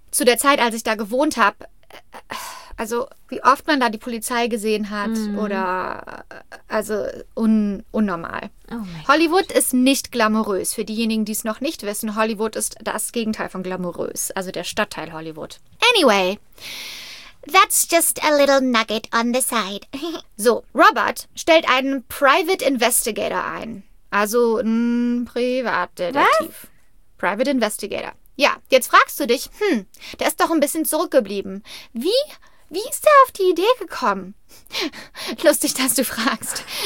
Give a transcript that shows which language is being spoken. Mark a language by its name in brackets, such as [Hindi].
[German] Zu der Zeit, als ich da gewohnt habe, also wie oft man da die Polizei gesehen hat oder, also unnormal. Oh Hollywood ist nicht glamourös. Für diejenigen, die es noch nicht wissen, Hollywood ist das Gegenteil von glamourös, also der Stadtteil Hollywood. [English] Anyway, that's just a little nugget on the side. [German] So, Robert stellt einen Private Investigator ein. Also ein Privatdetektiv. Was? [English] Private Investigator. [German] Ja, jetzt fragst du dich, der ist doch ein bisschen zurückgeblieben. Wie ist der auf die Idee gekommen? Lustig, dass du fragst.